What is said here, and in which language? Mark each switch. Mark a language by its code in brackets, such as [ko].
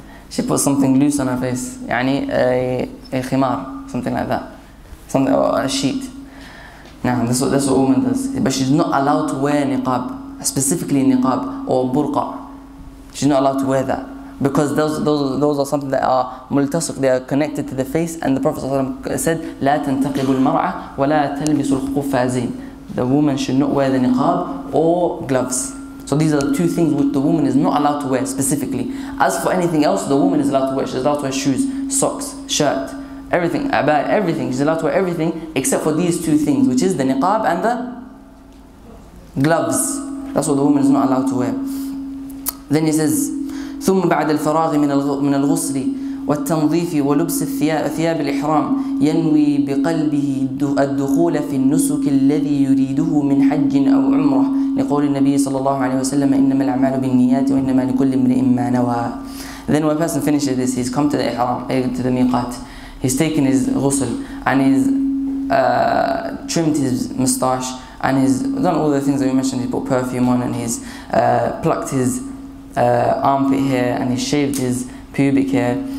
[en] She puts something loose on her face. يعني a khimar, something like that. Something, or a sheet. Now, that's what a woman does. But she's not allowed to wear niqab, specifically niqab or burqa. She's not allowed to wear that. Because those are something that are multasuk, they are connected to the face. And the Prophet said, [ar] لا تنتقب المرأة ولا تلبس القفازين. [en] The woman should not wear the niqab or gloves. So these are the two things which the woman is not allowed to wear specifically. As for anything else, the woman is allowed to wear. She's allowed to wear shoes, socks, shirt, everything, about everything. She's allowed to wear everything except for these two things, which is the niqab and the gloves. That's what the woman is not allowed to wear. Then he says, [ar] ثم بعد الفراغ من الغسل والتنظيف ولبس ثياب الإحرام ينوي بقلبه الدخول في النسك الذي يريده من حج أو عمرة لقول النبي صلى الله عليه وسلم إنما الأعمال بالنيات وإنما لكل امرئ ما نوى. [en] Then when a person finishes this, he's come to the Ihram, to the Miqat. He's taken his ghusl and he's trimmed his moustache and he's done all the things that we mentioned. He put perfume on and he's plucked his armpit hair and he shaved his pubic hair.